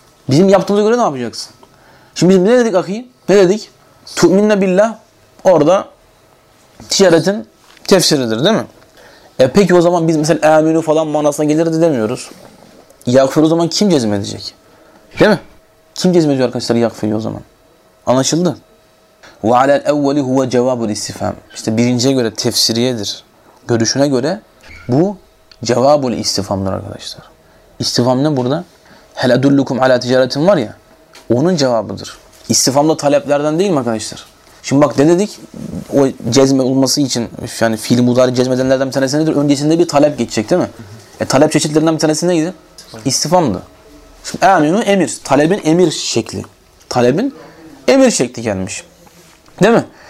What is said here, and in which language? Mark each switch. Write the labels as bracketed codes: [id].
[tr] Bizim yaptığımıza göre ne yapacaksın? Şimdi biz ne dedik akı? Ne dedik? [ar] Tu'minne billah [tr] orada ticaretin tefsiridir değil mi? Peki o zaman biz mesela aminu falan manasına gelirdi demiyoruz. Yagfir o zaman kim cezmedecek? Değil mi? Kim cezmediyor arkadaşlar yagfiri o zaman? Anlaşıldı. [ar] وَعَلَى الْاَوَّلِ هُوَ جَوَابُ الْاِسْتِفَامِ [tr] İşte birinciye göre tefsiriyedir. Görüşüne göre bu cevabı istifamdır arkadaşlar. İstifam ne burada? [ar] هَلَدُلُّكُمْ عَلَى تِجَارَةٍ [tr] var ya. Onun cevabıdır. İstifam da taleplerden değil mi arkadaşlar? Şimdi bak ne dedik? O cezme olması için yani fiil-i mudari cezmedenlerden bir tanesi nedir? Öncesinde bir talep geçecek değil mi? Talep çeşitlerinden bir tanesi neydi? İstifamdı. Şimdi aminu emir. Talebin emir şekli. Talebin emir şekli gelmiş. Değil mi?